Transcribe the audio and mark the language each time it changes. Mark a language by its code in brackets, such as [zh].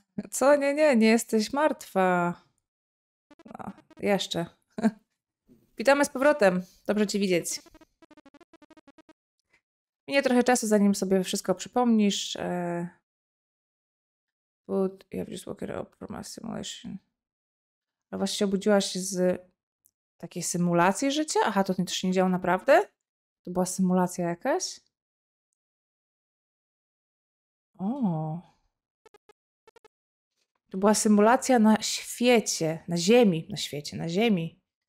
[pl] Co? Nie jesteś martwa. No, jeszcze. Witamy z powrotem. Dobrze ci widzieć. Minie trochę czasu, zanim sobie wszystko przypomnisz. [en] But you have just woken up from a simulation. [pl] A właśnie obudziłaś z takiej symulacji życia? Aha, to też się nie działo naprawdę? To była symulacja jakaś? O. To była symulacja na świecie, na ziemi.